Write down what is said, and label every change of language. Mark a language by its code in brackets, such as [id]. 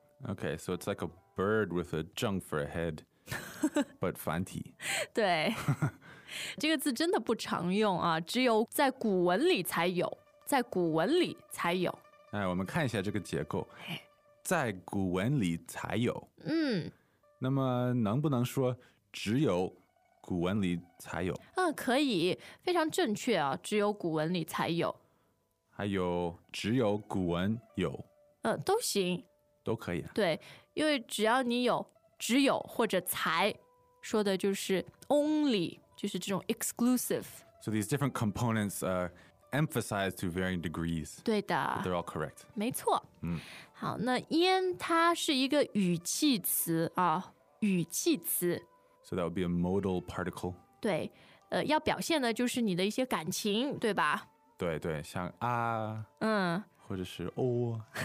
[en] Okay, so it's like a bird with a 正 for a head, but 繁体。 [zh] 对，这个字真的不常用啊，只有在古文里才有，在古文里才有。哎，我们看一下这个结构，在古文里才有。嗯，那么能不能说只有古文里才有？嗯，可以，非常正确啊，只有古文里才有。还有，只有古文有。都行。都可以啊。对，因为只要你有，只有或者才，说的就是 only， 就是这种 exclusive。 [en] So these different components are emphasized to varying degrees. [zh] 对的。 [en] But they're all correct. [zh] 没错。好，那焉它是一个语气词啊，语气词。 [en] So that would be a modal particle. [zh] 对，要表现的就是你的一些感情，对吧？对对，像啊。或者是哦，